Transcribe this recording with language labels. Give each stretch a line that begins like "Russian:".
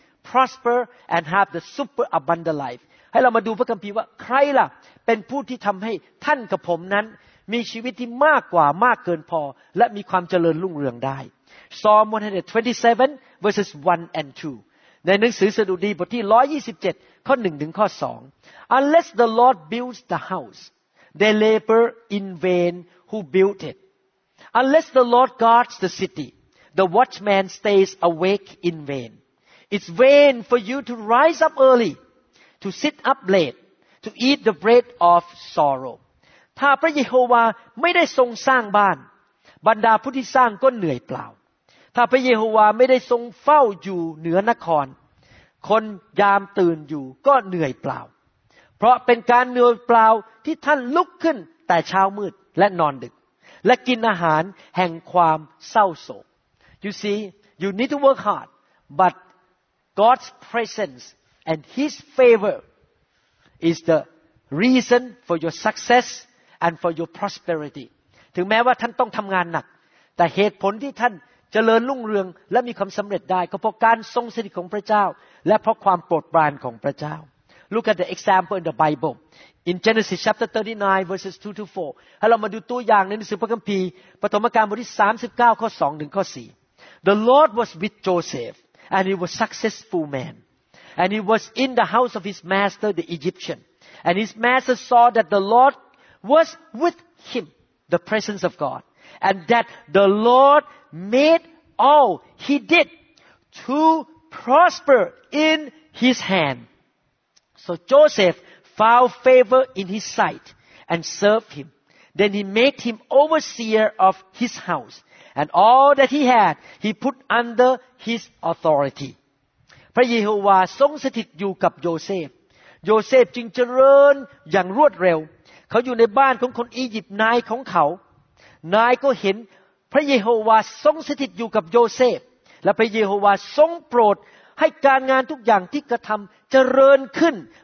English: prosper and have the super abundant life
Thai: ให้เรามาดูพระคัมภีร์ว่าใครล่ะเป็นผู้ที่ทำให้ท่านกับผมนั้นมีชีวิตที่มากกว่ามากเกินพอและมีความเจริญรุ่งเรืองได้
English: Psalm 127 verses 1 and 2
Thai: ในหนังสือสดุดีบทที่127ข้อ1ถึงข้อ2
English: Unless the Lord builds the houseThey labor in vain who built it. Unless the Lord guards the city, the watchman stays awake in vain. It's vain for you to rise up early, to sit up late, to eat the bread of sorrow.
Thai: ถ้าพระเยโฮวาไม่ได้ทรงสร้างบ้านบรรดาผู้ที่สร้างก็เหนื่อยเปล่าถ้าพระเยโฮวาไม่ได้ทรงเฝ้าอยู่เหนือนคร คนยามตื่นอยู่ก็เหนื่อยเปล่าเพราะเป็นการเหนื่อยเปล่าที่ท่านลุกขึ้นแต่เช้ามืดและนอนดึกและกินอาหารแห่งความเศร้าโศก
English: You see, you need to work hard, but God's presence and His favor is the reason for your success and for your prosperity.
Thai: ถึงแม้ว่าท่านต้องทำงานหนักแต่เหตุผลที่ท่านเจริญรุ่งเรืองและมีความสำเร็จได้ก็เพราะการทรงสถิตของพระเจ้าและเพราะความโปรดปรานของพระเจ้า
English: Look at the example in the Bible. In Genesis chapter 39, verses 2 to 4.
Thai: ให้เรามาดูตัวอย่างในหนังสือพระคัมภีร์ปฐมกาลบทที่39ข้อ2ถึงข้อ4.
English: The Lord was with Joseph, and he was a successful man. And he was in the house of his master, the Egyptian. And his master saw that the Lord was with him, the presence of God. And that the Lord made all he did to prosper in his hand. So Joseph found favor in his sight and served him. Then he made him overseer of his house. And all that he had, he put under his authority.
Thai: พระเยโฮวาทรงสถิตอยู่กับโยเซฟโยเซฟจึงเจริญอย่างรวดเร็วเขาอยู่ในบ้านของคนอียิปต์นายของเขานายก็เห็นพระเยโฮวาทรงสถิตอยู่กับโยเซฟและพระเยโฮวาทรงโปรดให้การงานทุกอย่างที่กระทำเจริญขึ้น